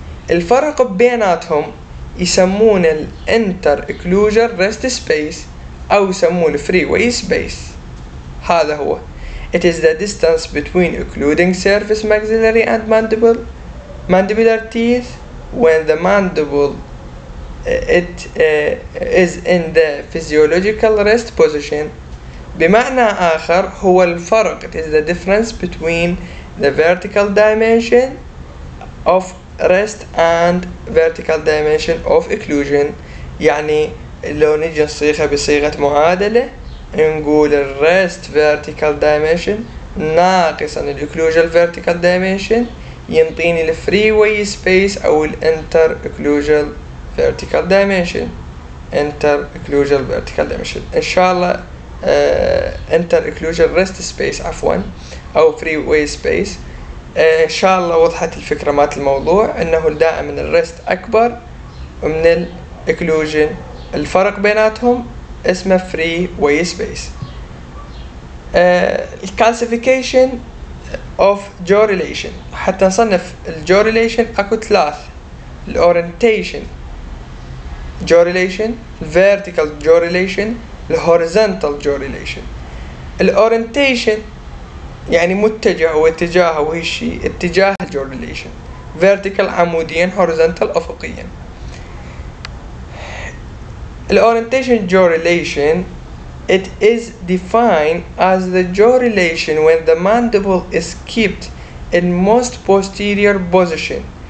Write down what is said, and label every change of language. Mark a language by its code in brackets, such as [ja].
[ar] الفرق بيناتهم يسمون الانتر إكلوجر ريست سبيس أو يسمون الفري واي سبيس. هذا هو [en] it is the distance between occluding surface maxillary and mandibular teeth when the mandible it is in the physiological rest position. [ar] بمعنى آخر هو الفرق [en] it is the difference between the vertical dimension of rest and vertical dimension of occlusion. [ar] يعني لو نجي نصيغها بصيغة معادلة نقول ال rest vertical dimension ناقصا ال occlusion vertical dimension ينطيني ال freeway space أو ال inter occlusion vertical dimension. انتر اكلوجال vertical dimension ان شاء الله انتر اكلوجال ريست سبيس عفوا او فري واي سبيس. ان شاء الله وضحت الفكره مات الموضوع انه دائما الريست اكبر من الاكلوجن، الفرق بيناتهم اسمه فري واي سبيس. الكالسيفيكيشن اوف جو ريليشن، حتى نصنف الجو ريليشن اكو ثلاث، الاورينتيشن جو ريليشن، الفيرتيكال جو ريليشن، الهوريزونتال جو ريليشن. الاورينتيشن يعني متجه واتجاه وهي الشيء، اتجاه الجو ريليشن فيرتيكال عموديا هوريزونتال افقيا. [en] الاورينتيشن jaw relation it is defined as the jaw relation when the mandible is kept in most posterior position.